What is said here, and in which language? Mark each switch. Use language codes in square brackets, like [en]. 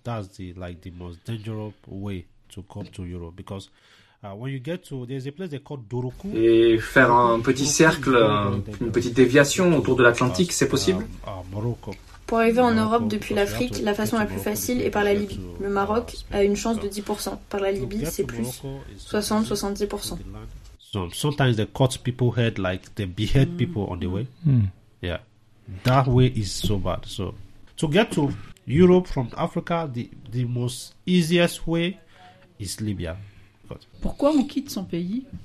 [en] That's the like the most dangerous way to come to Europe, because when you get to, there's a place they call Doroku. [fr] Et faire un petit cercle, une petite déviation autour de l'Atlantique, c'est possible? [en] Morocco. [fr] Pour arriver en Europe depuis l'Afrique, la façon la plus facile est par la Libye. Le Maroc a une chance de 10%. Par la Libye, c'est plus 60-70%. [en] So sometimes they cut people's head, like they behead people on the way. Yeah, that way is so bad. So to get to Europe from Africa, the most easiest way is Libya. [fr] But pourquoi on quitte son pays?